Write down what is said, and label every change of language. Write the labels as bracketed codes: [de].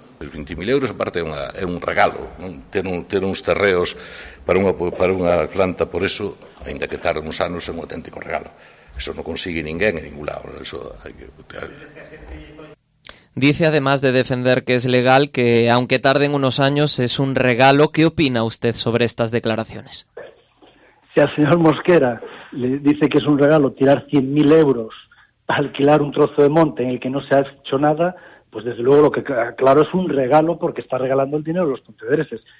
[gl] Os 20.000 euros, aparte, é un regalo, non? Ter uns terreos para unha planta, por eso, ainda que tarde uns anos, é un auténtico regalo. Eso no consigue ninguén en ningún lado. [es] Eso hay que putear. Dice, además de defender que es legal, que aunque tarden unos años, es un regalo. ¿Qué opina usted sobre estas declaraciones? Si al señor Mosquera le dice que es un regalo tirar 100.000 euros a alquilar un trozo de monte en el que no se ha hecho nada, pues desde luego lo que claro es un regalo, porque está regalando el dinero a los pontevedreses.